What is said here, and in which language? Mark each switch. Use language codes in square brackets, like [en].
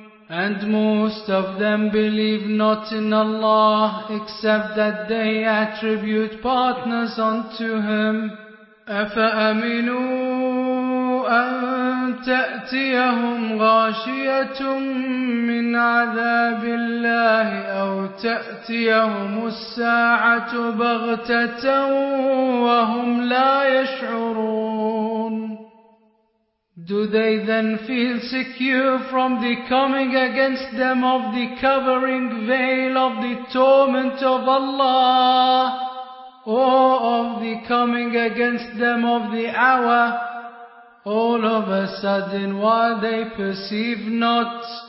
[en] And most of them believe not in Allah except that they attribute partners unto Him. [ar] أَفَأَمِنُوا أن تأتيهم غاشية من عذاب الله أو تأتيهم الساعة بغتة وهم لا يشعرون. [en] Do they then feel secure from the coming against them of the covering veil of the torment of Allah or of the coming against them of the hour, all of a sudden while they perceive not.